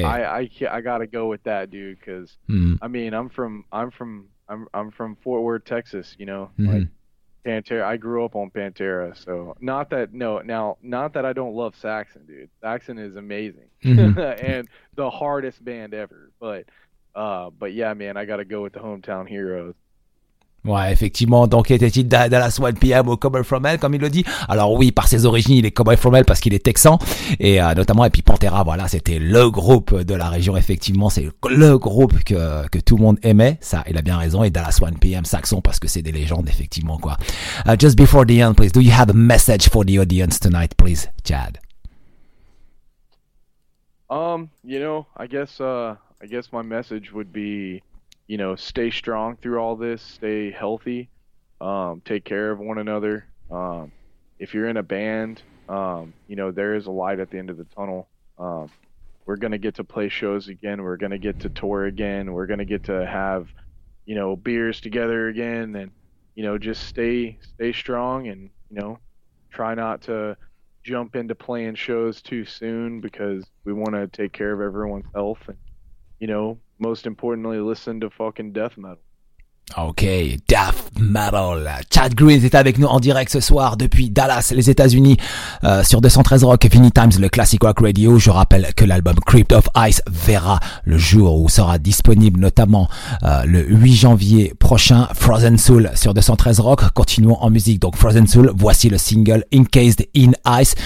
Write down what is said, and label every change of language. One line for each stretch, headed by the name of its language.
English: So I gotta go with that, dude, because I mean, I'm from Fort Worth, Texas, you know. Like Pantera, I grew up on Pantera, so not that I don't love Saxon, dude. Saxon is amazing. And the hardest band ever, but yeah, man, I gotta go with the hometown heroes.
French: Ouais, effectivement. Donc, était-il Dallas 1PM ou Coming From Hell, comme il le dit? Alors oui, par ses origines, il est Coming From Hell parce qu'il est texan. Et, notamment, et puis Pantera, voilà, c'était le groupe de la région, effectivement. C'est le groupe que tout le monde aimait. Ça, il a bien raison. Et Dallas 1PM, Saxon, parce que c'est des légendes, effectivement, quoi.
English: Just before the end, please. Do you have a message for the audience tonight, please, Chad? You know, I guess my message would be, you know, stay strong through all this, stay healthy, take care of one another. If you're in a band, you know, there is a light at the end of the tunnel. We're going to get to play shows again. We're going to get to tour again. We're going to get to have, you know, beers together again. And, you know, just stay strong and, you know, try not to jump into playing shows too soon, because we want to take care of everyone's health. And, you know, most importantly, listen to fucking death metal. Okay, death metal.
French: Chad Green est avec nous en direct ce soir depuis Dallas, les États-Unis, sur 213 Rock, Vinny Times, le Classic Rock Radio. Je rappelle que l'album Crypt of Ice verra le jour où sera disponible, notamment le 8 janvier prochain. Frozen Soul sur 213 Rock. Continuons en musique. Donc Frozen Soul, voici le single Encased in Ice.